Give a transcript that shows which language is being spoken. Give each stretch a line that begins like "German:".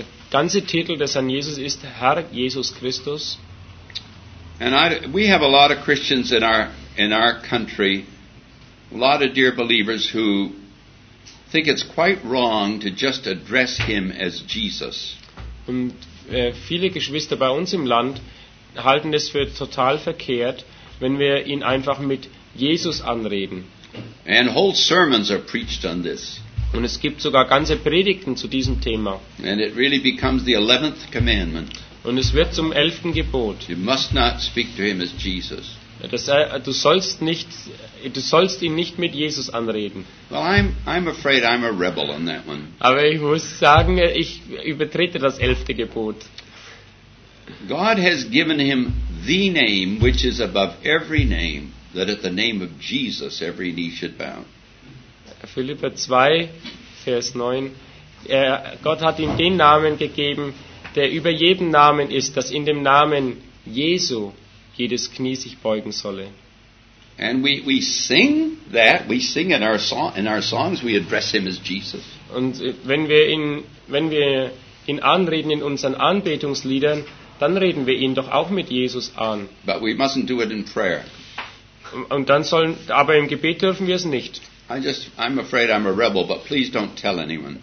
German: Ganze Titel des Herrn Jesus ist Herr Jesus Christus.
English: And we have a lot of Christians in our country, a lot of dear believers who think it's quite wrong to just address him as Jesus.
German: Und viele Geschwister bei uns im Land halten es für total verkehrt, wenn wir ihn einfach mit Jesus anreden.
English: And whole sermons are preached on this.
German: Und es gibt sogar ganze Predigten zu diesem Thema.
English: And it really becomes the 11th commandment.
German: Und es wird zum 11. Gebot.
English: You must not speak to him as Jesus.
German: Du sollst ihn nicht mit Jesus anreden.
English: Well, I'm afraid I'm a rebel on that one.
German: Aber ich muss sagen, ich übertrete das 11. Gebot.
English: God has given him the name which is above every name, that at the name of Jesus every knee should bow.
German: Philipper 2, Vers 9. Gott hat ihm den Namen gegeben, der über jeden Namen ist, dass in dem Namen Jesu jedes Knie sich beugen solle.
English: And we sing that, we sing in our song, in our songs, we address him as Jesus.
German: Und wenn wir ihn anreden in unseren Anbetungsliedern, dann reden wir ihn doch auch mit Jesus an.
English: But we mustn't do it in prayer.
German: Und dann sollen, aber im Gebet dürfen wir es nicht.
English: I'm afraid I'm a rebel, but please don't tell anyone.